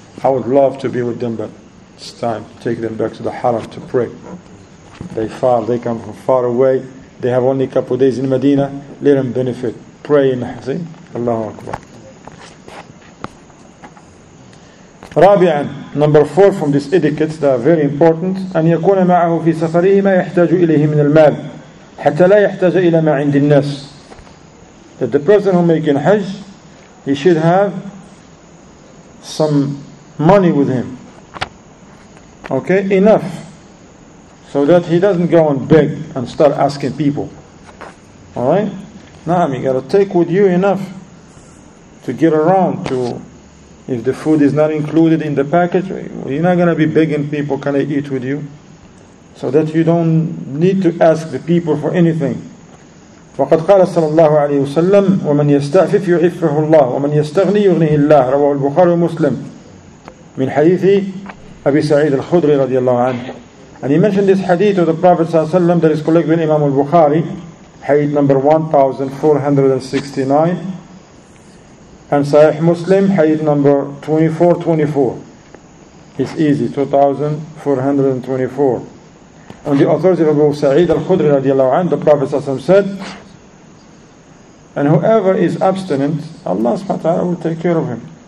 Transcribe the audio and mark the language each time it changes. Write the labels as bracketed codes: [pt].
[en] I would love to be with them, but it's time to take them back to the Haram to pray. They come from far away. They have only a couple of days in Medina. Let them benefit. Pray in Hazin. Allahu Akbar. Rabi'an, number four from these etiquettes that are very important. [ar] أن يكون معه في سفره ما يحتاج إليه من المال حتى لا يحتاج إلى ما عند الناس. [en] That the person who making Hajj, he should have some money with him. Okay, enough. So that he doesn't go and beg and start asking people. Alright? [ar] نعم, [en] you gotta take with you enough to get around to. If the food is not included in the package, you're not going to be begging people, can I eat with you? So that you don't need to ask the people for anything. [ar] وَقَدْ قَالَ صَلَى اللَّهُ عَلَيْهُ وَسَلَّمْ وَمَنْ يَسْتَعْفِفْ يُعِفْهُ اللَّهُ وَمَنْ يَسْتَغْنِي يُغْنِهِ اللَّهُ رواه البخاري ومسلم من حديث أبي سعيد الخدري رضي الله عنه. [en] And he mentioned this hadith of the Prophet [ar] صلى الله عليه وسلم [en] that is collected by Imam al-Bukhari, hadith number 1469. And Sahih Muslim, Hadith number 2424. It's easy, 2424. On the authority of Abu Sa'id al-Khudri radiallahu anhu, the Prophet said, and whoever is abstinent, Allah subhanahu wa ta'ala will take care of him.